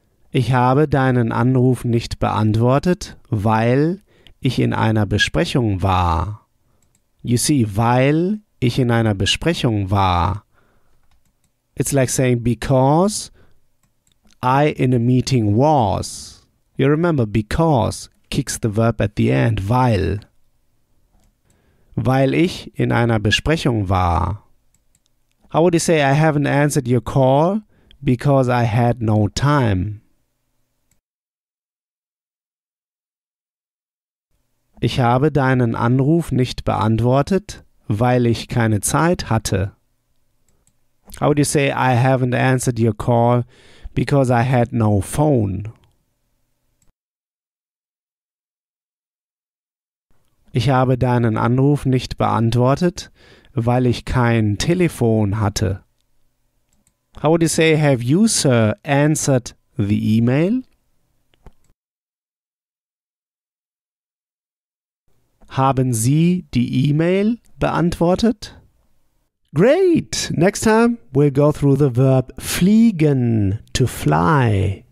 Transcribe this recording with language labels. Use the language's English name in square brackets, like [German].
[German] Ich habe deinen Anruf nicht beantwortet, weil ich in einer Besprechung war. [English] You see, [German] weil ich in einer Besprechung war. [English] It's like saying because I in a meeting was. You remember, because kicks the verb at the end, weil. [German] Weil ich in einer Besprechung war. [English] How would you say I haven't answered your call? Because I had no time. [German] Ich habe deinen Anruf nicht beantwortet, weil ich keine Zeit hatte. [English] How would you say I haven't answered your call? Because I had no phone. [German] Ich habe deinen Anruf nicht beantwortet, weil ich kein Telefon hatte. [English] How would you say, have you, sir, answered the email? [German] Haben Sie die E-Mail beantwortet? [English] Great! Next time, we'll go through the verb fliegen, to fly.